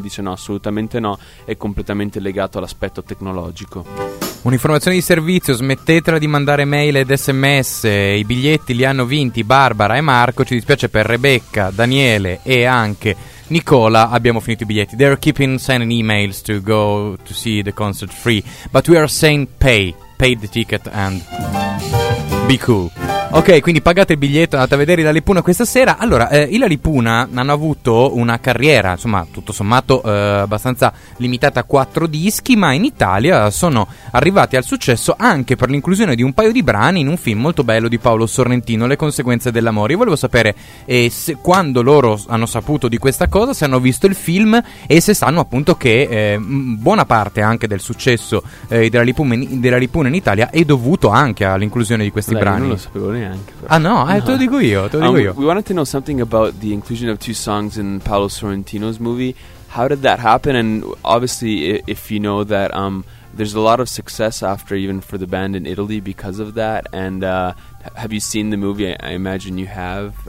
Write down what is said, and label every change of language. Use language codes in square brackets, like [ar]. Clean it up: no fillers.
[it] Dice no, assolutamente no, è completamente legato all'aspetto tecnologico. Un'informazione di servizio: smettetela di mandare mail ed sms, i biglietti li hanno vinti Barbara e Marco, ci dispiace per Rebecca, Daniele e anche Nicola, abbiamo finito i biglietti. [en] They're keeping sending emails to go to see the concert free, but we are saying pay the ticket and be cool. [it] Ok, quindi pagate il biglietto, andate a vedere Ilaria Lipuna questa sera. Allora, Ilaria Lipuna hanno avuto una carriera, insomma, tutto sommato abbastanza limitata a 4 dischi, ma in Italia sono arrivati al successo anche per l'inclusione di un paio di brani in un film molto bello di Paolo Sorrentino, Le conseguenze dell'amore. Io volevo sapere se, quando loro hanno saputo di questa cosa, se hanno visto il film e se sanno appunto che buona parte anche del successo della Lipuna in Italia è dovuto anche all'inclusione di questi brani. Non lo sapevo neanche, però. Ah no, te lo dico io, [en] We wanted to know something about the inclusion of two songs in Paolo Sorrentino's movie. How did that happen? And obviously, if you know that there's a lot of success after, even for the band in Italy, because of that. And have you seen the movie? I imagine you have.